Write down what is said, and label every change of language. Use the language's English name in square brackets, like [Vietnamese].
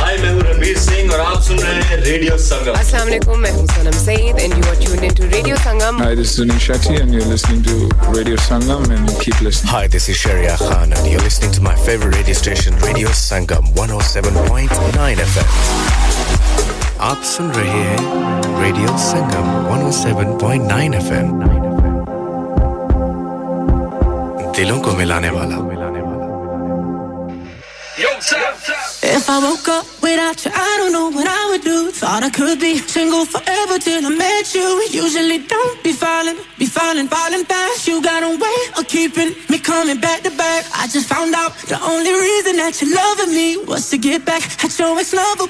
[Hindi] Hi, main hu Rabir Singh, aur aap sun rahe hain Radio Sangam. [English] Assalamu alaikum, [Hindi] main hu [English] Sanam Zaid, and you are tuned into Radio Sangam. Hi, this is Anish Shetty, and you're listening to Radio Sangam, and keep listening. Hi, this is Sharia Khan, and you're listening to my favorite radio station, Radio Sangam 107.9 FM. [Hindi] आप सुन रहे हैं radio संगम 107.9 FM दिलों को मिलाने वाला [English] If I woke up without you, I don't know what I would do. Thought I could be single forever till I met you. Usually don't be falling fast. You got a way of keeping me coming back to back. I just found out the only reason that you're loving me was to get back at your ex-lover.